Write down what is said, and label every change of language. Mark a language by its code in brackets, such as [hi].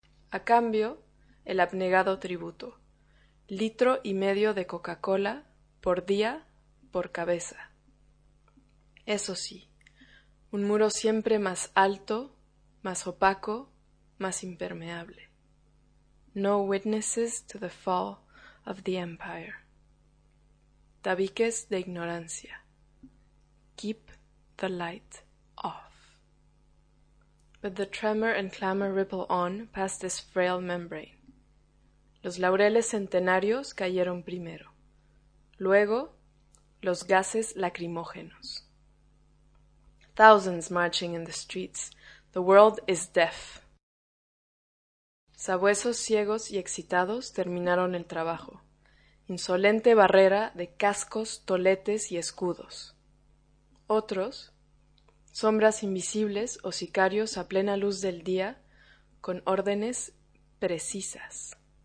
[es] A cambio, el abnegado tributo. Litro y medio de Coca-Cola por día, por cabeza. Eso sí, un muro siempre más alto, más opaco, más impermeable. [en] No witnesses to the fall of the empire. [es] Tabiques de ignorancia. [en] Keep the light off. But the tremor and clamor ripple on past this frail membrane. [es] Los laureles centenarios cayeron primero. Luego, los gases lacrimógenos. [en] Thousands marching in the streets. The world is deaf. [es] Sabuesos ciegos y excitados terminaron el trabajo. Insolente barrera de cascos, toletes y escudos. Otros, sombras invisibles o sicarios a plena luz del día, con órdenes precisas.